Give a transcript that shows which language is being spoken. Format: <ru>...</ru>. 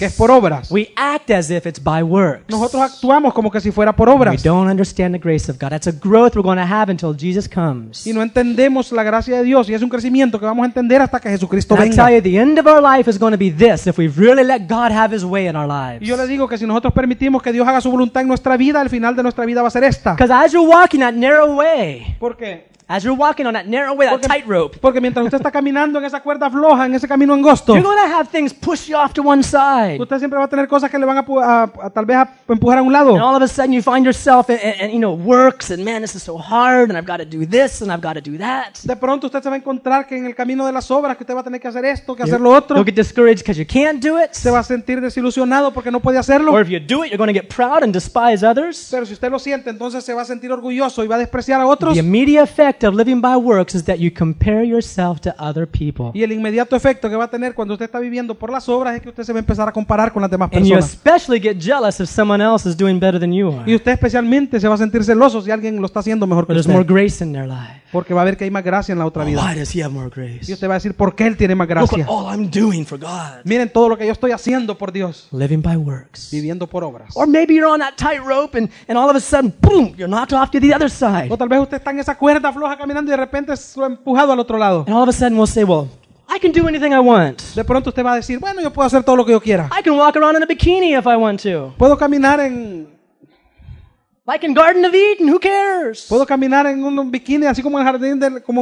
<es>Que es por obras.</es> <en>We act as if it's by works.</en> <es>Nosotros actuamos como que si fuera por obras.</es> <en>We don't understand the grace of God. That's a growth we're going to have until Jesus comes.</en> <es>Y no entendemos la gracia de Dios y es un crecimiento que vamos a entender hasta que Jesucristo venga.</es> <en>I tell you, the end of our life is going to be this if we really let God have His way in our lives.</en> <es>Y yo le digo que si nosotros permitimos que Dios haga su voluntad en nuestra vida, el final de nuestra vida va a ser esta.</es> <en>Because as you're walking that narrow way.</en> <es>¿Por qué?</es> <en>As you're walking on that narrow way, that tightrope.</en> <es>Porque mientras usted está caminando en esa cuerda floja, en ese camino angosto.</es> <en>You're going to have things push you off to one side.</en> <es>Usted siempre va a tener cosas que le van a tal vez a empujar a un lado.</es> <en>And all of a sudden you find yourself and you know, works and man, this is so hard and I've got to do this and I've got to do that.</en> <es>De pronto usted se va a encontrar que en el camino de las obras que usted va a tener que hacer esto, que hacer lo otro.</es> <en>You'll get discouraged because you can't do it.</en> <es>Se va a sentir desilusionado porque no puede hacerlo.</es> <en>Or if you do it, you're going to get proud and despise others.</en> <es>Pero si usted lo siente, entonces se va a sentir orgulloso y va a despreciar a otros.</es> <en>The immediate effect of living by works is that you compare yourself to other people.</en> <es>Y el inmediato efecto que va a tener cuando usted está viviendo por las obras es que usted se va a empezar a comparar con las demás personas.</es> <en>And you especially get jealous if someone else is doing better than you are.</en> <es>Y usted especialmente se va a sentir celoso si alguien lo está haciendo mejor que usted.</es> <en>There's more grace in their life.</en> <es>Porque va a ver que hay más gracia en la otra vida.</es> <en>Why does he have more grace?</en> <es>Y usted va a decir por qué él tiene más gracia.</es> <en>Look at all I'm doing for God.</en> <es>Miren todo lo que yo estoy haciendo por Dios.</es> <en>Living by works.</en> <es>Viviendo por obras.</es> <en>Or maybe you're on that tight rope and all of a sudden, boom, you're knocked off to the other side.</en> <es>O tal vez usted está en esa cuerda floja caminando y de repente es empujado al otro lado.</es> <en>And all of a sudden we'll say, well, I can do anything I want.</en> <es>De pronto usted va a decir, bueno, yo puedo hacer todo lo que yo quiera.</es> <en>I can walk around in a bikini if I want to.</en> <es>Puedo caminar en</es> <en>like in Garden of Eden, who cares?</en> <es>Puedo caminar en un bikini así como en el jardín del como</es>